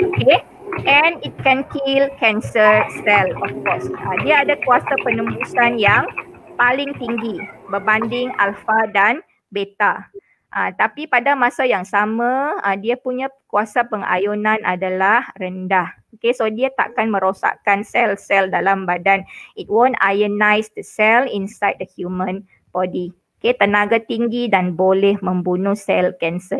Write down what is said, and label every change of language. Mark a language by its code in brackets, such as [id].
[en] Okay. And it can kill cancer cell of course. [ms] Dia ada kuasa penembusan yang paling tinggi berbanding alpha dan beta. Tapi pada masa yang sama dia punya kuasa pengayunan adalah rendah. Okay, so dia takkan merosakkan sel-sel dalam badan. [en] It won't ionize the cell inside the human body. [ms] Okay, tenaga tinggi dan boleh membunuh sel kanser.